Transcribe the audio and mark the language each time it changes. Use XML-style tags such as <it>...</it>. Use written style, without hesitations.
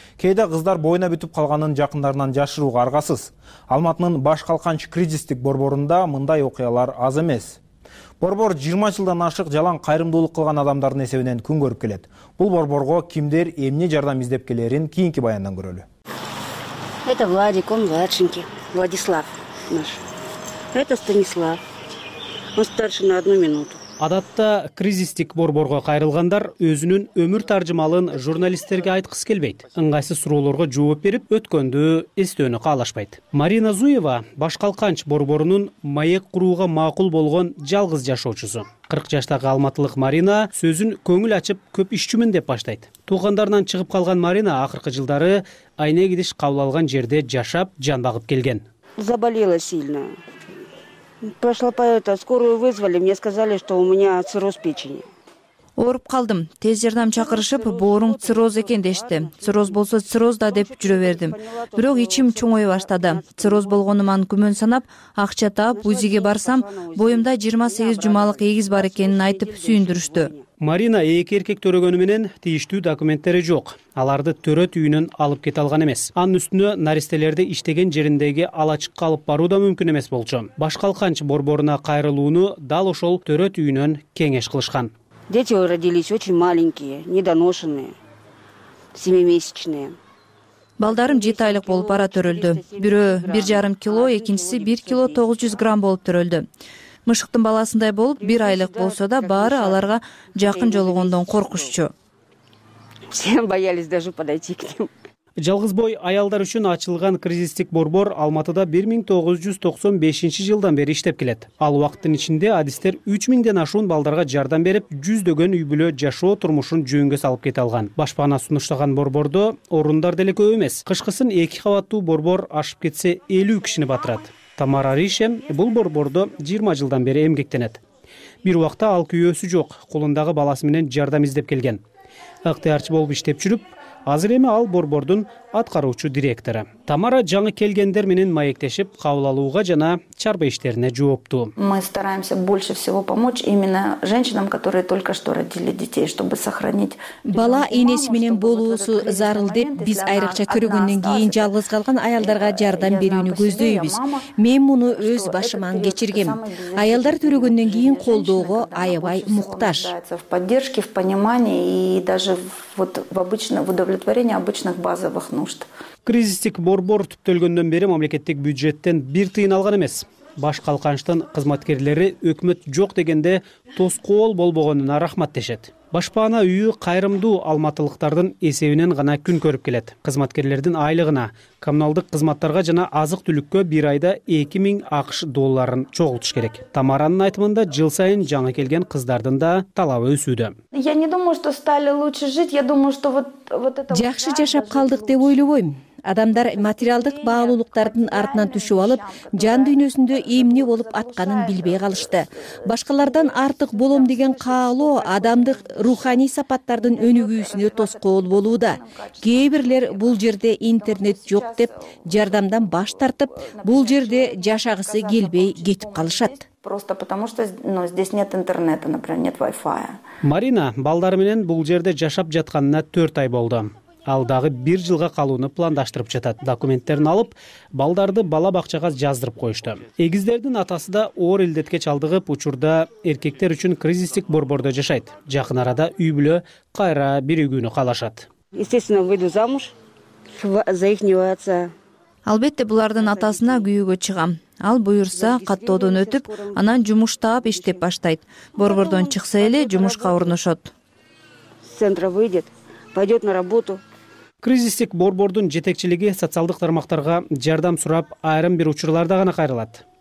<ky>Кээде кыздар боюна бүтүп калганын жакындарынан жашырууга аргасыз. Алматынын Баш Калканч кризистик борборунда мындай окуялар аз эмес. Борбор 20 жылдан ашык жалаң кайрымдуулук кылган адамдардын эсебинен күн көрүп келет. Бул борборго кимдер эмне жардам издеп келерин кийинки баяндан көрөлү.</ky> <ru>Это Владик, он младшенький, Владислав наш. Это Станислав, он старше на одну минуту.</ru> <ky>Адатта кризистик борборго кайрылгандар өзүнүн өмүр таржымалын журналисттерге айткысы келбейт. Ыңгайсыз суроолорго жооп берип, өткөндү эстөөнү каалашпайт. Марина Зуева Баш Калканч борборунун маек курууга макул болгон жалгыз жашоочусу. 40 жаштагы алматылык Марина сөзүн көңүл ачып, көп ишчүмүн деп баштайт. Туугандарынан чыгып калган Марина акыркы жылдары айне кидиш кабыл алган жерде жашап, жан багып келген.</ky> <ru>Заболела сильно. Прошла по это скорую вызвали, мне сказали, что у меня цирроз печени.</ru> <ky>Ооруп калдым. Тез жардам чакырышып, боорум цирроз экен дешти. Цирроз болсо цирроз да деп жүрө бердим. Бирок ичим чоңой баштады. Цирроз болгону менен күмөн санап, акча таап, УЗИге барсам, боюмда 28 жумалык эгиз бар экенин айтып сүйүндүрүштү. Марина эки эркек төрөгөнү менен тийиштүү документтери жок. Аларды төрөт үйүнөн алып кете алган эмес. Анын үстүнө наристелерди иштеген жериндеги алачыкка алып баруу да мүмкүн эмес болчу. Баш Калканч борборуна кайрылууну дал ошол төрөт үйүнөн кеңеш кылышкан.</ky> <ru>Дети родились очень маленькие, недоношенные, 7-месячные.</ru> <ky>Балдарым 7 айлык болуп ара төрөлдү. Бирөө 1,5 кило, экинчиси 1 кило 900 грамм болуп төрөлдү. Мышыктын баласындай болуп, 1 айлык болсо да, баары аларга жакын жолугондон коркушчу.</ky> <ru>Все боялись даже подойти к ним.</ru> <ky>Жалгыз бой аялдар үчүн ачылган кризистик борбор Алматыда 1995 жылдан бери иштеп келет. Ал убакыттын ичинде адистер 3000 ашуун балдарга жардам берип, жүздөгөн үй бүлө жашоо турмушун жөнгө салып кете алган. Башпана сунуштаган борбордо орундар деле көп эмес. Кышкысын эки кабаттуу борбор ашып кетсе 50 кишини батырат. Тамара Ришен бул борборду 20 жылдан бери эмгектенет. Бир убакта ал күйөөсү жок, колундагы баласы менен жардам издеп келген. Ыктыярчы болуп иштеп жүрүп, азыр эми ал борбордун аткаруучу директору. Тамара жаңы келгендер менен маектешип, кабыл алууга жана чарба иштерине жооптуу.</ky> <ru>Мы стараемся больше всего помочь именно женщинам, которые только что родили детей, чтобы сохранить.</ru> <ky>Бала энеси менен болуусу зарыл деп, биз айрыкча көрүгөндөн кийин жалгыз калган аялдарга жардам берүүнү көздөйбүз. Мен муну өз башыман кечиргем. Аялдар төрөгөндөн кийин колдоого аябай муктаж.</ky> <ru>В поддержке, в понимании и даже вот в обычном удовлетворении обычных базовых нужд.</ru> <ky>Кризистик борбор түптөлгөндөн бери мамлекеттик бюджеттен бир тыйын алган эмес. Баш калканчтын кызматкерлери өкмөт жок дегенде тоскоол болбогонуна рахмат дешет. Башпаана үйү кайрымдуу алматылыктардын эсебинен гана күн көрүп келет. Кызматкерлердин айлыгына, коммуналдык кызматтарга жана азык-түлүккө бир айда 2000 АКШ долларын чогултуш керек. Тамаранын айтымында жыл сайын жаңы келген кыздардын да талабы өсүүдө.</ky> <ru>Я не думаю, что стали лучше жить. Я думаю, что вот это</ru> <ky>жакшы жашап калдык деп ойлобойм. Адамдар материалдык баалуулуктардын артынан түшүп алып, жан дүйнөсүндө эмне болуп атканын билбей калышты. Башкалардан артык болом деген каалоо адамдык руханий сапаттардын өнүгүүсүнө тоскоол болууда. Кээ бирлер бул жерде интернет жок деп, жардамдан баш тартып, бул жерде жашагысы келбей кетип калышат.</ky> <ru>Просто потому что, ну, здесь нет интернета, например, нет Wi-Fi.</ru> <ky>Марина балдары менен бул жерде жашап жатканына 4 ай болду. Ал дагы бир жылга калууну пландаштырып жатат. Документтерин алып, балдарды бала бакчага жаздырып коюшту. Эгиздердин атасы да оор илдетке чалдыгып, учурда эркектер үчүн кризистик борбордо жашайт. Жакын арада үй бүлө кайра биригүүнү каалашат.</ky> <ru>Естественно, выйду замуж за ихнего отца.</ru> <ky>Албетте, булардын атасына күйүүгө чыгам. Ал буйурса, каттоодон өтүп, анан жумуш таап иштеп баштайт. Борбордон чыкса эле жумушка орношот.</ky> <ru>Центра выйдет. Пойдет на работу.</ru> <ky>Кризистик борбордун жетекчилиги социалдык тармактарга жардам сурап, айрым бир учурларда гана кайрылат.</ky>